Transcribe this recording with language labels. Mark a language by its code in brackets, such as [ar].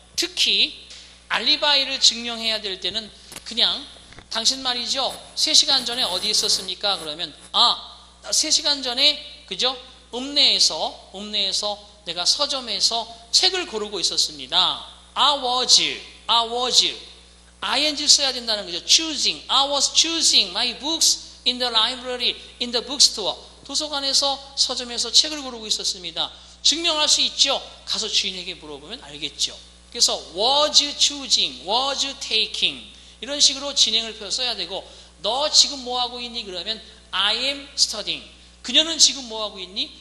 [ko] 특히 알리바이를 증명해야 될 때는 그냥 당신 말이죠. 3시간 전에 어디 있었습니까? 그러면 아, 나 3시간 전에 그죠? 읍내에서 내가 서점에서 책을 고르고 있었습니다. [en] I was ing [ko] 써야 된다는 거죠. [en] choosing. I was choosing my books in the library in the bookstore. [ko] 도서관에서 서점에서 책을 고르고 있었습니다. 증명할 수 있죠? 가서 주인에게 물어보면 알겠죠. 그래서 [en] was choosing, was taking [ko] 이런 식으로 진행을 써야 되고 너 지금 뭐하고 있니? [en] 그러면 I am studying. [ko] 그녀는 지금 뭐하고 있니?